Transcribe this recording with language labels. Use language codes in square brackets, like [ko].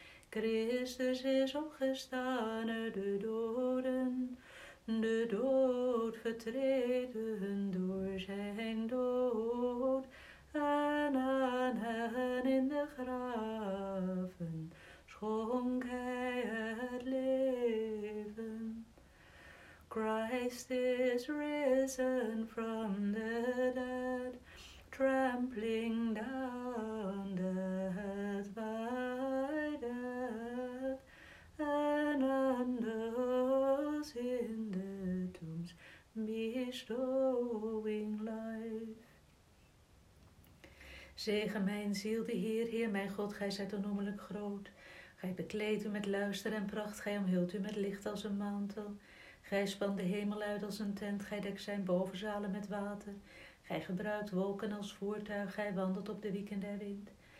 [nl] Christus is opgestaan uit de doden, de dood vertreden door zijn dood, en aan hen in de graven schonk hij het leven. [en] Christ is risen from the dead, trampling down death by death, and unders in the tombs bestowing life. [nl] Zegen mijn ziel de Heer, Heer mijn God, gij zijt onnoemelijk groot. Gij bekleedt u met luister en pracht, gij omhult u met licht als een mantel. Gij spant de hemel uit als een tent, gij dekt zijn bovenzalen met water. Gij gebruikt wolken als voertuig, gij wandelt op de wieken der wind.